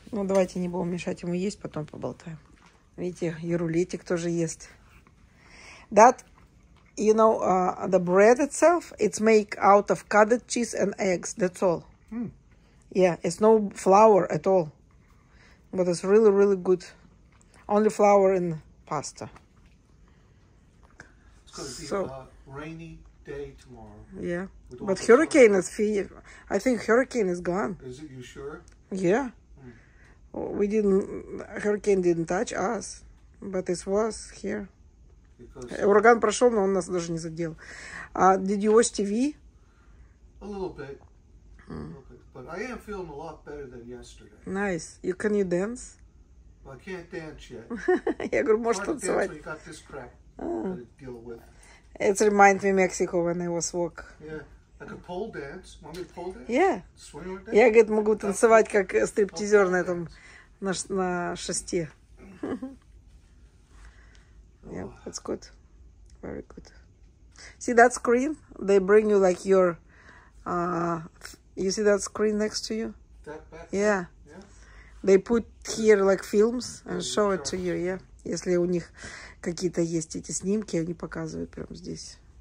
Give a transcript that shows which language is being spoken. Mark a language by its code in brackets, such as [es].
[ru] Ну, давайте не будем мешать ему есть, потом поболтаем. Видите, и рулетик тоже ест. [en] That, you know, the bread itself, it's made out of cottage cheese and eggs. That's all. Yeah, it's no flour at all. But it's really, really good. Only flour in pasta. It's going to be a rainy day tomorrow. Yeah, but hurricane is fear. I think hurricane is gone. Is it, you sure? Yeah. We didn't, hurricane didn't touch us, but it was here. Because... [ru] Ураган прошел, но он нас даже не задел. [en] Did you watch TV? A little bit. But I am feeling a lot better than yesterday. Nice. You, can you dance? Well, I can't dance yet. [ru] Я говорю, можешь танцевать. [en] I got this crack to deal with. It reminds me of Mexico when I was walk. Yeah. Like a pole dance. Want me to pole dance? Yeah. Swing dance? [ru] Я, говорит, могу танцевать, как стриптизер на этом, на шесте. [en] Yeah, that's good. Very good. See that screen? They bring you like your... you see that screen next to you? That yeah. Yeah. They put here like films and show it to you, yeah. [ru] Если у них какие-то есть эти снимки, они показывают прямо здесь.